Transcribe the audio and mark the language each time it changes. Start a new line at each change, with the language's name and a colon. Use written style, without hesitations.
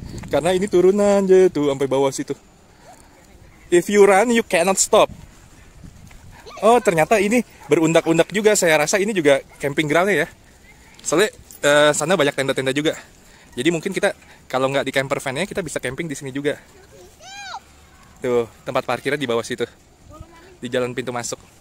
Indonesian: Karena ini turunan aja tuh sampai bawah situ.
English: If you run, you cannot stop.
Indonesian: Oh, ternyata ini berundak-undak juga. Saya rasa ini juga camping ground-nya ya. Soalnya sana banyak tenda-tenda juga. Jadi mungkin kita, kalau nggak di camper van-nya, kita bisa camping di sini juga. Tuh, tempat parkirnya di bawah situ. Di jalan pintu masuk.